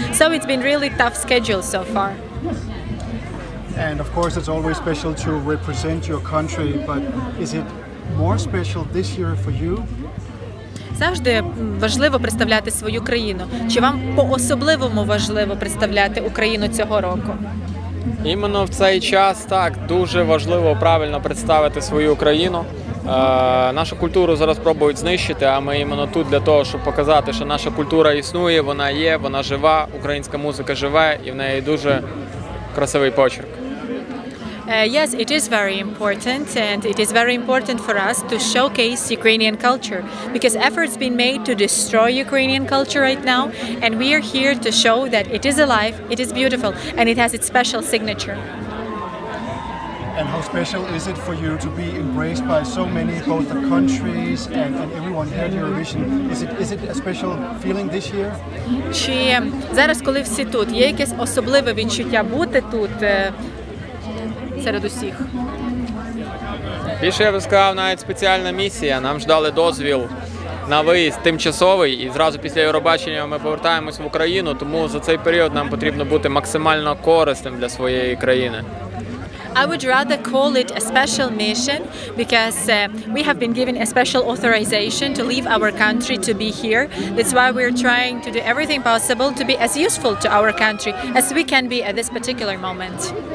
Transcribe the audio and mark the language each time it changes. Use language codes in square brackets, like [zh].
[en] So it's been really tough schedule so far. And of course it's always special to represent your country, but is it more special this year for you? [uk] Завжди важливо представляти свою країну. Чи вам по-особливому важливо представляти Україну цього року? Іменно в цей час, так, дуже важливо правильно представити свою Україну. Нашу культуру зараз пробують знищити, а ми іменно тут для того, щоб показати, що наша культура існує, вона є, вона жива, українська музика живе і в неї дуже красивий почерк. [en] Yes, it is very important, and it is very important for us to showcase Ukrainian culture, because efforts been made to destroy Ukrainian culture right now, and we are here to show that it is alive, it is beautiful, and it has its special signature. And how special is it for you to be embraced by so many, both the countries and everyone here at Eurovision? Is it a special feeling this year? [uk] Чи зараз, коли всі тут, є якесь особливе відчуття бути тут? Серед усіх. Більше я б сказав, навіть спеціальна місія. Нам ж дали дозвіл на виїзд тимчасовий, і зразу після Євробачення ми повертаємось в Україну, тому за цей період нам потрібно бути максимально корисним для своєї країни. [en] I would rather call it a special mission, because we have been given a special authorization to leave our country to be here. That's why we're trying to do everything possible to be as useful to our country as we can be at this particular moment.